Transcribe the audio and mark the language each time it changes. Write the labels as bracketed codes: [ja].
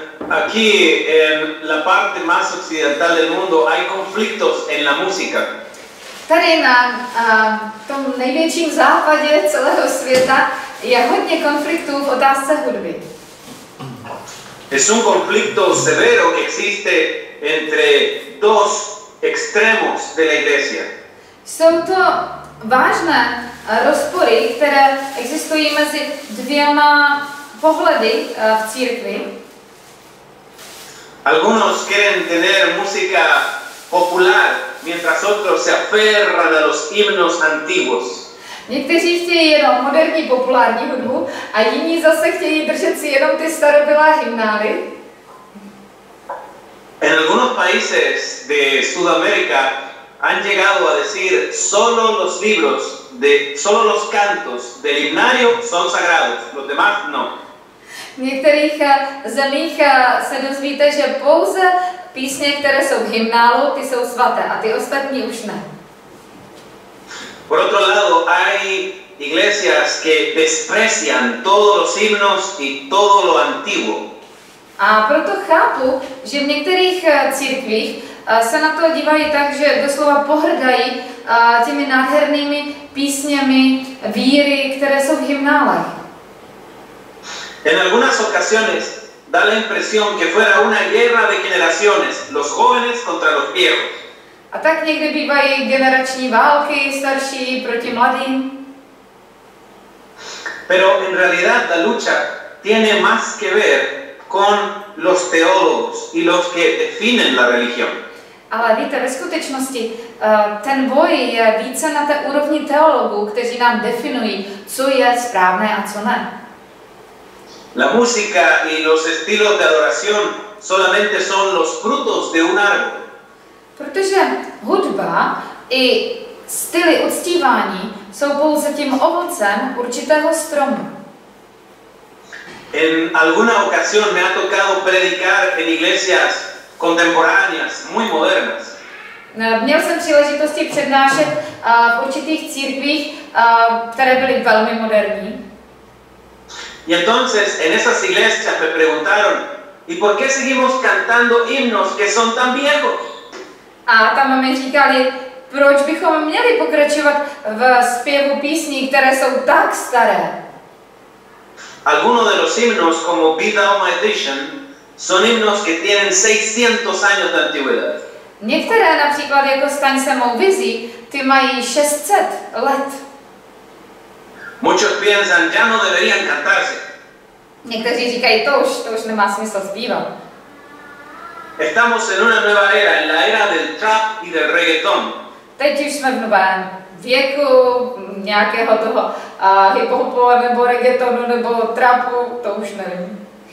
[es] Aquí en la parte más occidental del mundo hay conflictos en la música. [cs] Tady na tom největším západě celého světa je hodně konfliktů v otázce hudby. [es] Es un conflicto severo que existe entre dos extremos de la iglesia. [cs] Jsou to vážné rozpory, které existují mezi dvěma pohledy v církvi. [es] Algunos quieren tener música popular, mientras otros se aferran a los himnos antiguos. [cs] Někteří chtějí jenom moderní populární hudbu a jiní zase chtějí držet si jenom ty starobylá hymnály. [es] En algunos países de Sudamérica han llegado a decir solo los libros de solo los cantos del himnario son sagrados, los demás no. [cs] V některých zemích se dozvíte, že pouze písně, které jsou v hymnálu, ty jsou svaté a ty ostatní už ne. [es] Por otro lado, hay iglesias que desprecian todos los himnos y todo lo antiguo. [cs] A proto chápu, že v některých církvích se na to dívají tak, že doslova pohrdají těmi nádhernými písněmi víry, které jsou v hymnálech. [es] En algunas ocasiones da la impresión que fuera una guerra de generaciones, los jóvenes contra los viejos. [cs] A tak někdy bývají generační války, starší proti mladým. [es] Pero en realidad la lucha tiene más que ver con los teólogos y los que definen la religión. [cs] Ale víte, ve skutečnosti ten boj je více na té úrovni teologů, kteří nám definují, co je správné a co ne. [es] La música y los estilos de adoración solamente son los frutos de un árbol. [cs] Protože hudba i styly uctívání jsou pouze tím ovocem určitého stromu. [es] En alguna ocasión me ha tocado predicar en iglesias contemporáneas, muy modernas. [cs] Měl jsem příležitosti přednášet v určitých církvích, které byly velmi moderní. [es] Y entonces en esas iglesias me preguntaron, ¿y por qué seguimos cantando himnos que son tan viejos? [cs] A tam mi říkali, proč bychom měli pokračovat v zpěvu písní, které jsou tak staré? [es] Algunos de los himnos como Vida o Maldición son himnos que tienen 600 años de antigüedad. [cs] Některé například jako Staň se mou vizí, ty mají 600 let. [es] Muchos piensan ya no deberían cantarse. [cs] Někteří říkají, to už nemá smysl zpívat. [es] Estamos en una nueva era, en la era del trap y del reggaeton. [cs] Teď už jsme v novém věku nějakého toho hip-hopu nebo reggaetonu nebo trapu, to už nevím.